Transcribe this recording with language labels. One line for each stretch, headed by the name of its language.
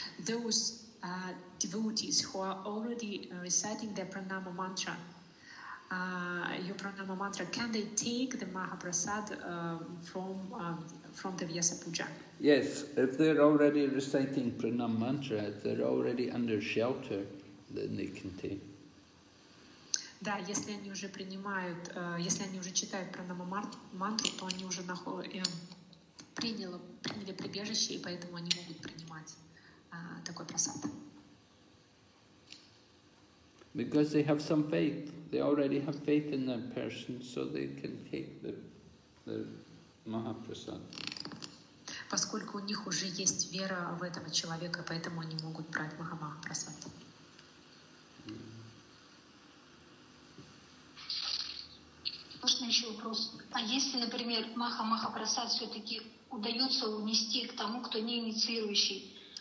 English: Those devotees who are already reciting their pranama mantra, your pranama mantra, can they take the mahaprasad from the vyasa puja? Yes, if they're already reciting pranam mantra, they're already under shelter, then they can take.
Russian: Да, если они уже принимают, если они уже читают пранама мантру, то они уже приняли прибежище, и поэтому они могут принимать такой прасад.
English: Because they have some faith, they already have faith in that person, so they can take the mahaprasad.
Russian: Поскольку у них уже есть вера в этого человека, поэтому они могут брать Махамахапрасад. Можно еще вопрос? А если, например, Махамахапрасад все-таки удается унести к тому, кто не инициирующий,